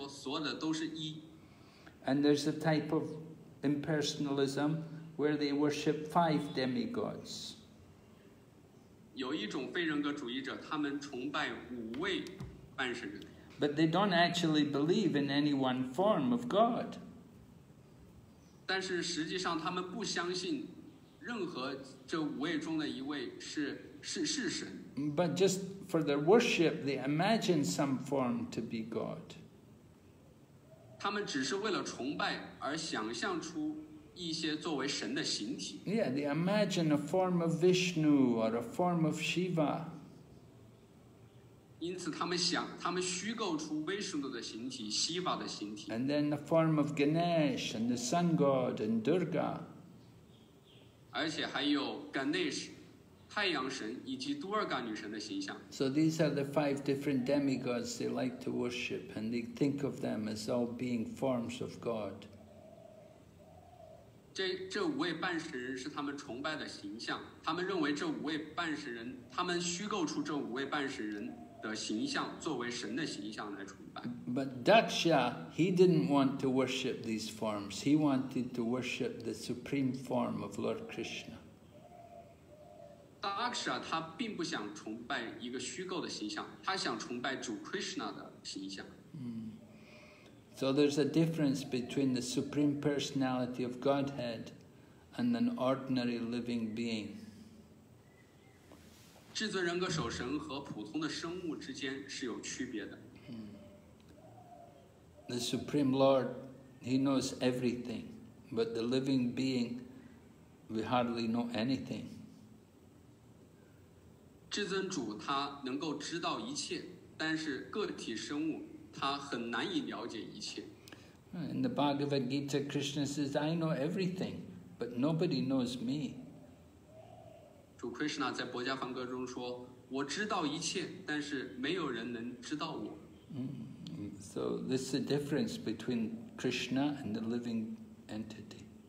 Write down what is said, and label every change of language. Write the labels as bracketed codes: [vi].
[zh] 他们崇拜着很多的神，他们说终极来说，所有的都是一。 [en] And there's a type of impersonalism where they worship five demigods. [zh] 有一种非人格主义者，他们崇拜五位半世人。 [en] But they don't actually believe in any one form of God. [zh] 但是实际上，他们不相信任何这五位中的一位是神。 [en] But just for their worship, they imagine some form to be God. [zh] 他们只是为了崇拜而想象出一些作为神的形体。 [en] Yeah, they imagine a form of Vishnu or a form of Shiva. [zh] 因此他们想，他们虚构出 Vishnu 的形体， Shiva 的形体。 [en] And then the form of Ganesh and the sun god and Durga. [zh] 而且还有 Ganesh, 太阳神以及 Durga 女神的形象。 [en] So these are the five different demigods they like to worship, and they think of them as all being forms of God. [zh] 这五位半神人是他们崇拜的形象，他们认为这五位半神人，他们虚构出这五位半神人的形象作为神的形象来崇拜。 [en] But Daksha, he didn't want to worship these forms. He wanted to worship the supreme form of Lord Krishna. [zh] Daksha, 他并不想崇拜一个虚构的形象，他想崇拜主 Krishna 的形象。 [en] So there's a difference between the Supreme Personality of Godhead and an ordinary living being. [zh] 至尊人格守神和普通的生物之间是有区别的。 [en] The Supreme Lord, he knows everything, but the living being, we hardly know anything. [zh] 至尊主他能够知道一切，但是个体生物他很难以了解一切。 [en] In the Bhagavad Gita, Krishna says, "I know everything, but nobody knows me." [zh] 主 Krishna 在《薄伽梵歌》中说："我知道一切，但是没有人能知道我。" [en] So this is the difference between Krishna and the living entity.